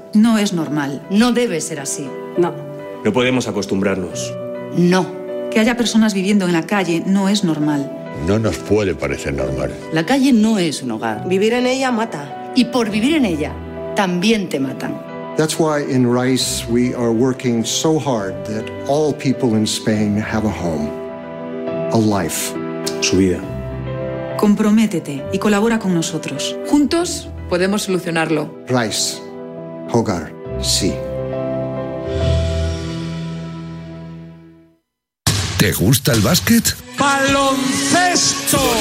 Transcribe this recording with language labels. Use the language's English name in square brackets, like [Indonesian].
[Spanish] No es normal. No debe ser así. No. No podemos acostumbrarnos. No. Que haya personas viviendo en la calle no es normal. No nos puede parecer normal. La calle no es un hogar. Vivir en ella mata. Y por vivir en ella, también te matan. [English] That's why in Rice we are working so hard that all people in Spain have a home. A life. [Spanish] Su vida. Comprométete y colabora con nosotros. Juntos podemos solucionarlo. Rice. Hogar. Sí. ¿Te gusta el básquet? ¡Baloncesto!